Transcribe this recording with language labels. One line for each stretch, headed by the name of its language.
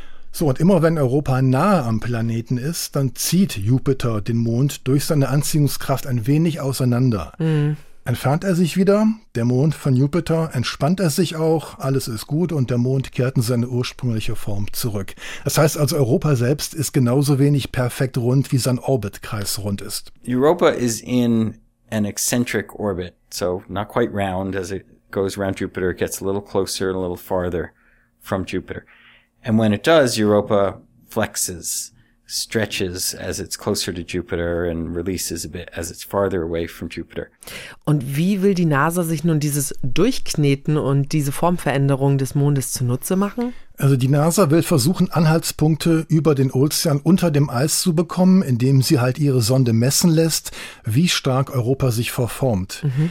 German: So, und immer wenn Europa nahe am Planeten ist, dann zieht Jupiter den Mond durch seine Anziehungskraft ein wenig auseinander. Entfernt er sich wieder, der Mond von Jupiter, entspannt er sich auch, alles ist gut und der Mond kehrt in seine ursprüngliche Form zurück. Das heißt also, Europa selbst ist genauso wenig perfekt rund, wie sein Orbitkreis rund ist.
English: Europa is in an eccentric orbit, so not quite round. As it goes around Jupiter, it gets a little closer and a little farther from Jupiter. And when it does, Europa flexes, stretches as it's closer to Jupiter and releases a bit as it's farther away from Jupiter.
German: Und wie will die NASA sich nun dieses Durchkneten und diese Formveränderung des Mondes zunutze machen? Also die NASA will versuchen, Anhaltspunkte über den Ozean unter dem Eis zu bekommen, indem sie halt ihre Sonde messen lässt, wie stark Europa sich verformt.